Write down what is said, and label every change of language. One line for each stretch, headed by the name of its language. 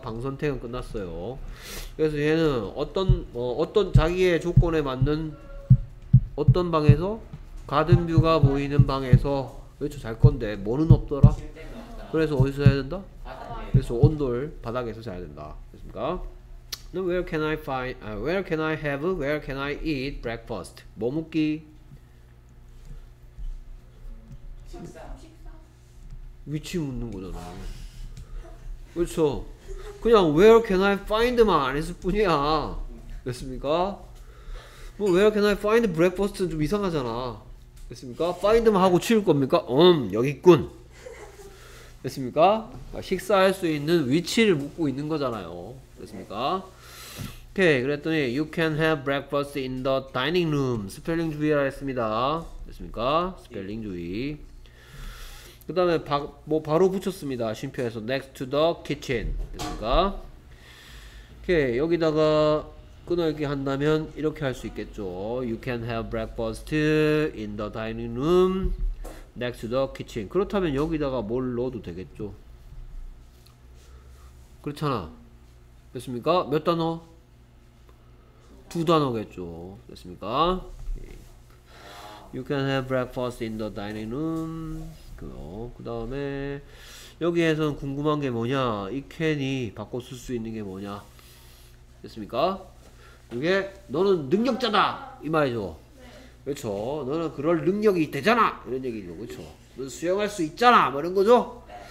Korean: 방 선택은 끝났어요. 그래서 얘는 어떤 자기의 조건에 맞는 어떤 방에서 가든 뷰가 보이는 방에서 그렇죠 잘 건데 뭐는 없더라. 그래서 어디서 해야 된다? 그래서 온돌 바닥에서 자야 된다. 됐습니까?
English: Then where can I find where can I have where can I eat breakfast?
Korean: 뭐 먹기? 위치 묻는 거잖아. 그렇죠. 그냥
English: where can I find
Korean: 만 안 했을 뿐이야. 됐습니까? 뭐
English: where can I find breakfast
Korean: 좀 이상하잖아. 됐습니까? find만 하고 치울 겁니까? 여기 있군. 됐습니까? 식사할 수 있는 위치를 묻고 있는 거잖아요. 됐습니까? 오케이. 그랬더니
English: you can have breakfast in the dining room.
Korean: 스펠링 주의하라 했습니다. 됐습니까? 스펠링 주의. 그 다음에 뭐 바로 붙였습니다. 쉼표에서
English: next to the kitchen.
Korean: 됐습니까? 오케이. 여기다가 끊어읽기 한다면 이렇게 할 수 있겠죠.
English: You can have breakfast in the dining room next to the kitchen.
Korean: 그렇다면 여기다가 뭘 넣어도 되겠죠. 그렇잖아. 됐습니까? 몇 단어? 두 단어겠죠. 됐습니까?
English: You can have breakfast in the dining room.
Korean: 그 다음에 여기에선 궁금한 게 뭐냐, 이 캔이 바꿔 쓸 수 있는 게 뭐냐. 됐습니까? 이게 너는 능력자다 이 말이죠. 그렇죠. 너는 그럴 능력이 되잖아 이런 얘기죠. 그렇죠. 너는 수영할 수 있잖아 뭐 이런 거죠.